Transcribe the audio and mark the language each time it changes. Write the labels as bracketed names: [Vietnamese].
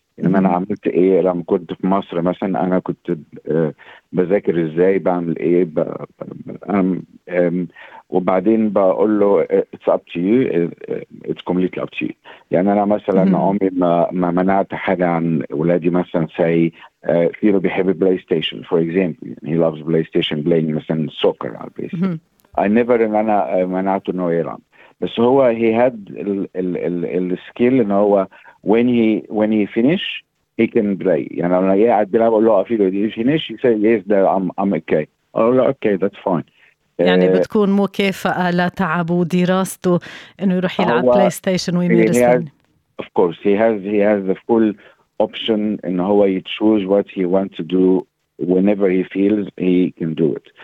[Arabic] إن أنا عملت إيه لما كنت في مصر مثلا أنا كنت بذاكر إزاي بعمل إيه وبعدين بقول له [English] it's up to you [Arabic] it's completely up to you. يعني أنا مثلا عمري ما منعت حاجة عن أولادي مثلا say فيلو بيحب بلاي ستيشن [English] for example he loves [Arabic] بلاي ستيشن playing مثلا soccer على البلاي ستيشن. [English] I never [Arabic] إن أنا منعته إنه يلعب بس هو [English] he had ال skill [Arabic] إن هو [English] when he finish he can play. [Arabic] يعني انا يا عبد الله اقول له [English] افيلو the finish yes yes the um okay [Arabic] اقول له [English] Okay that fine. [Arabic] يعني بتكون مكافاه لتعبه ودراسته انه يروح يلعب بلاي ستيشن ويمارس [English] of course he has the full option [Arabic] ان هو [English] يتشوز what he want to do whenever he feels he can do it.